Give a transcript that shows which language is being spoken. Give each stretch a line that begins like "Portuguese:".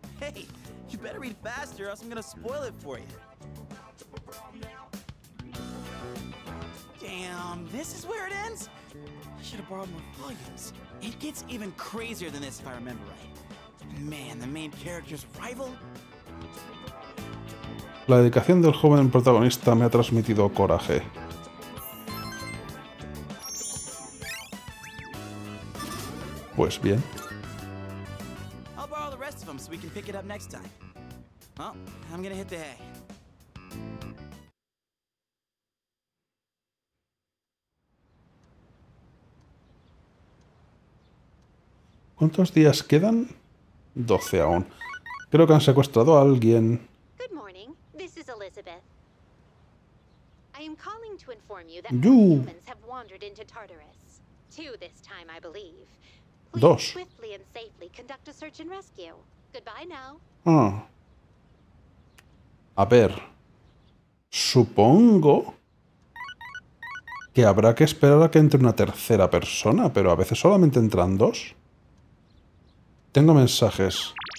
English: Hey, you better read faster, or else I'm gonna spoil it for you. Damn, this is where it ends? I should have borrowed more volumes. It gets even crazier than this if I remember right. Man, the main character's rival.
Spanish: La dedicación del joven protagonista me ha transmitido coraje. Pues bien.
English: I'll borrow the rest of them so pick it up next time. Well, I'm gonna hit the hay.
Spanish: ¿Cuántos días quedan? 12 aún. Creo que han secuestrado a alguien.
English: Good morning. This is Elizabeth. I am calling to inform you that humans have wandered into Tartarus. Two this time, I believe.
Spanish: Dos.
English: Swiftly and safely conduct a search and rescue. Goodbye now.
Spanish: Ah. A ver. Supongo que habrá que esperar a que entre una tercera persona, pero a veces solamente entran dos. Tengo mensajes.